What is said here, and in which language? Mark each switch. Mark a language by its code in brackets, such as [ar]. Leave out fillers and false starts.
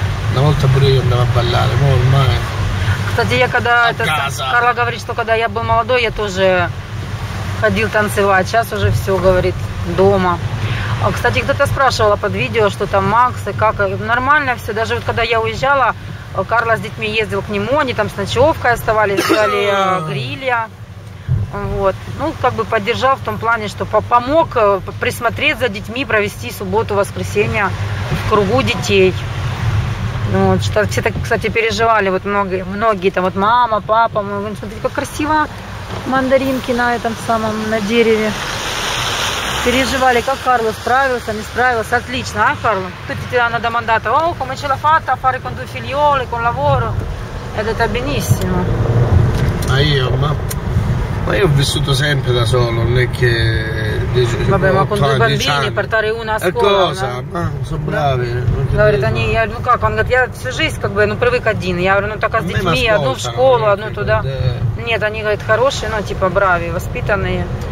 [it] Una volta pure io andavo a ballare, ma ormai. [ru] Кстати, я когда это Карла говорит, что когда я был молодой, я тоже ходил танцевать. Сейчас уже все говорит дома. А, кстати, кто-то спрашивала под видео, что там Макс и как нормально все. Даже вот когда я уезжала, Карла с детьми ездил к нему, они там с ночевкой оставались, взяли грилья. Вот. Ну, как бы поддержал в том плане, что помог присмотреть за детьми, провести субботу, воскресенье в кругу детей. Ну, вот, что все так, кстати, переживали, вот многие, многие там, вот мама, папа, мы, смотрите, как красиво мандаринки на этом самом, на дереве. Переживали, как Карло справился, не справился. Отлично, а, Карло? Тут тебе надо мандата. [it] О, come ce l'ha fatta a fare con due figlioli, con lavoro. Ed это benissimo. А io, ma... Ma io ho vissuto sempre da solo, non è che... Vabbè, ma con due bambini, portare una a scuola. E cosa? Ma sono bravi. [ru] Говорит, они, я говорю, ну как, он говорит, я всю жизнь как бы, ну привык один. Я говорю, ну так а с детьми, одну в школу, одну туда. Нет, они, говорят, хорошие, ну типа брави, воспитанные.